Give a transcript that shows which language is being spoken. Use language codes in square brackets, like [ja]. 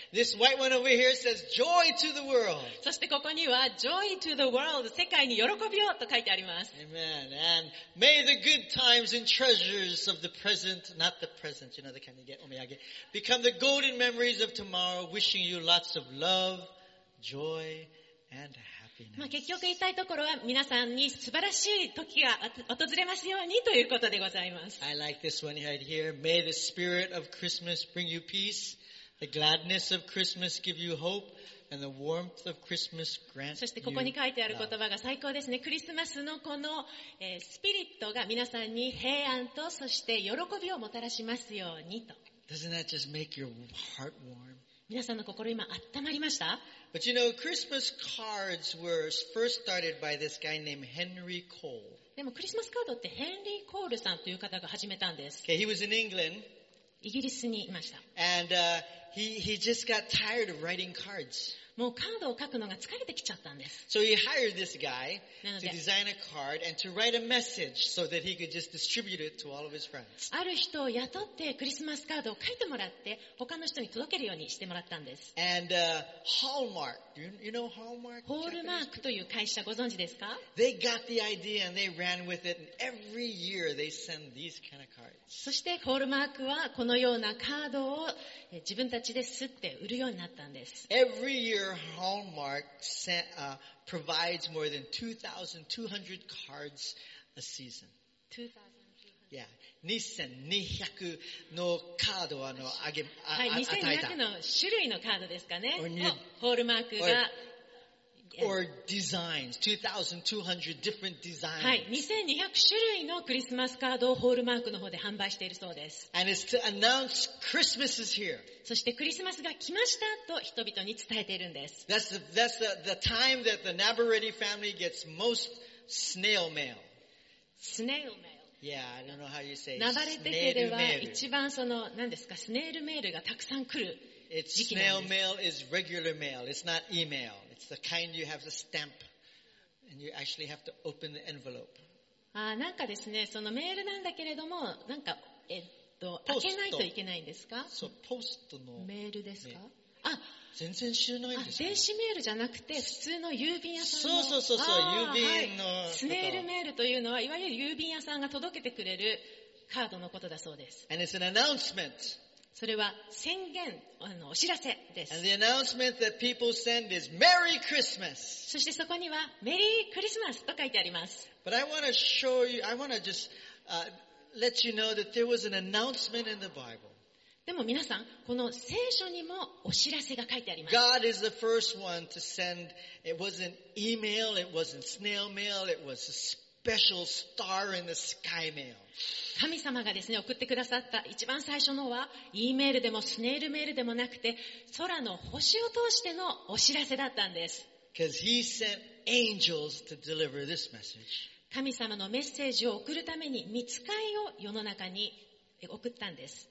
[en] This white one over here says joy to the world. [ja] そしてここには [en] joy to the world [ja] 世界に喜びをと書いてあります。 [en] Amen. And may the good times and treasures of the present, not the present, you know, the kind you get, omiyage, become the golden memories of tomorrow. Wishing you lots of love, joy, and happiness. [ja] まあ、結局言いたいところは皆さんに素晴らしい時が訪れますようにということでございます。 [en] I like this one right here. May the spirit of Christmas bring you peace, the gladness of Christmas give you hope, and the warmth of Christmas grant you [ja] love. そしてここに書いてある言葉が最高ですね。クリスマスのこの、スピリットが皆さんに平安とそして喜びをもたらしますようにと。 [en] Doesn't that just make your heart warm? [ja] 皆さんの心今温まりました。 [en] But you know, Christmas cards were first started by this guy named Henry Cole. [ja] でもクリスマスカードってヘンリー・コールさんという方が始めたんです。 [en] Okay, he was in England. [ja] イギリスにいました。 [en] And, he just got tired of writing cards. [ja] もうカードを書くのが疲れてきちゃったんです。 [en] So he hired this guy to design a card and to write a message so that he could just distribute it to all of his friends. [ja] ある人を雇ってクリスマスカードを書いてもらって他の人に届けるようにしてもらったんです。 [en] And, Hallmark, you know Hallmark? [ja] ホールマークという会社ご存知ですか? [en] They got the idea and they ran with it and every year they send these kind of cards. [ja] そしてホールマークはこのようなカードを自分たちちで刷って売るようになったんです。 [en] Every year, Hallmark sent, provides more than 2,200 cards a season. 2,200? [ja] Yeah, 2,200 のカードをあげ、はい、2,200 の種類のカードですかね。ホールマークが。 [en] Or designs, 2,200 different designs. [ja] はい、2,200 種類のクリスマスカードをホールマークの方で販売しているそうです。 [en] And it's to announce Christmas is here. [ja] そしてクリスマスが来ましたと人々に伝えているんです。 [en] That's the time that the Nabaretti family gets most snail mail. Snail mail. Yeah, I don't know how you say [ja] snail mail. ナバレテ家では一番その何ですかスネールメールがたくさん来る。 [en] It's snail mail is regular mail. It's not email. It's the kind you have to stamp, and you actually have to open the envelope. [ja] ああ、なんかですね、そのメールなんだけれども、なんか開けないといけないんですか？そう、ポストのメールですか？あ、全然知らないんですか？電子メールじゃなくて普通の郵便屋さんの。そうそうそうそう、郵便の、はい。スネールメールというのはいわゆる郵便屋さんが届けてくれるカードのことだそうです。 [en] And it's an announcement. [ja] それは宣言、お知らせです。 [en] And the announcement that people send is Merry Christmas. [ja] そしてそこにはメリークリスマスと書いてあります。 [en] But I want to show you, I want to just, let you know that there was an announcement in the Bible. [ja] でも皆さん、この聖書にもお知らせが書いてあります。 [en] God is the first one to send, it wasn't email, it wasn't snail mail, it was a special star in the sky mail. [ja] 神様がですね、送ってくださった一番最初のは、E メールでもスネールメールでもなくて、空の星を通してのお知らせだったんです。 [en] Because he sent angels to deliver this message. [ja] 神様のメッセージを送るために、御使いを世の中に送ったんです。